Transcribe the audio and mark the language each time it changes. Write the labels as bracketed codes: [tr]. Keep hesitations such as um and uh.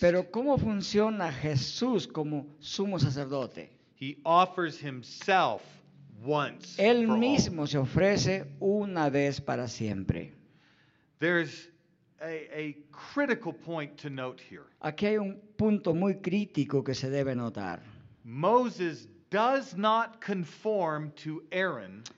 [es] Pero ¿cómo funciona Jesús como sumo sacerdote? [en] He offers himself once. Él for mismo all. [es] se ofrece una vez para siempre. [en] There's a, a critical point to note here. [es] Aquí hay un punto muy crítico que se debe notar. [en] Moses does not conform to Aaron.